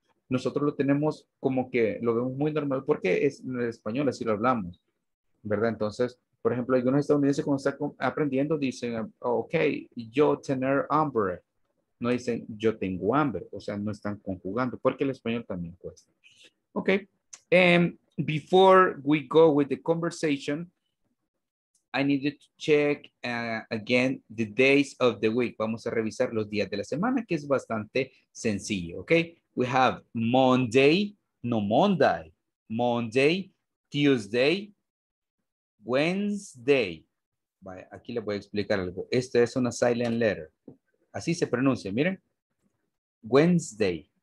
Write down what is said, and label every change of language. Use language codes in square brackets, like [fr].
[es] Nosotros lo tenemos como que lo vemos muy normal porque es en el español, así lo hablamos, ¿verdad? Entonces, por ejemplo, algunos estadounidenses cuando están aprendiendo dicen, ok, yo tener hambre. No dicen, yo tengo hambre. O sea, no están conjugando porque el español también cuesta. [en] Ok. Before we go with the conversation, I needed to check again the days of the week. [es] Vamos a revisar los días de la semana, que es bastante sencillo. [en] Ok. We have Monday, no Monday, Monday, Tuesday, Wednesday. [es] Vaya, aquí le voy a explicar algo. Esta es una [en] silent letter. [es] Así se pronuncia, miren. Wednesday.